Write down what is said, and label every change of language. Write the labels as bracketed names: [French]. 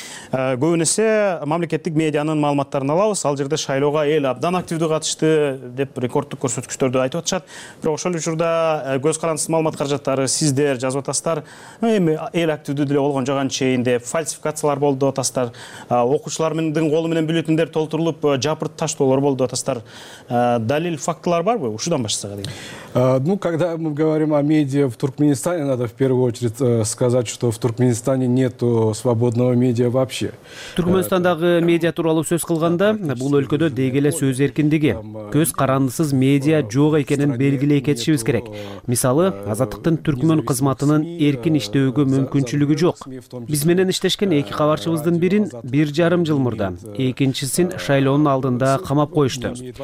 [Kyrgyz] Көбүн эсе мамлекеттик медианын маалыматтарын алабыз. Ал жерде шайлоого эл абдан активдүү катышты деп рекордтук көрсөткүчтөрдү айтып атышат. Бирок ошол эле учурда көз карандысыз маалымат каражаттары сиздер жазып атасыздар. Эми эл активдүү деле болгон жок анчейин деп фальсификациялар болду деп атасыздар. Окуучулардын колу менен бюллетендер толтурулуп жапырып таштоолор болду деп атасыздар. Далил фактылар барбы? Ушудан башласак деген. [Russian] Когда мы говорим о медиа в Туркменистане, надо в первую очередь сказать, что в Туркменистане нету свободного медиа вообще. вообще. [Kyrgyz] Түркмөнстандагы медиа тууралуу сөз кылганда, бул өлкөдө деги эле сөз эркиндиги, көз карандысыз медиа жок экенин белгилей кетишибиз керек. Мисалы, Азаттыктын түркмөн кызматынын эркин иштөөгө мүмкүнчүлүгү жок. Биз менен иштешкен эки кабарчыбыздын бирин 1,5 жыл мурда, экинчисин шайлоонун алдында камап коюшту.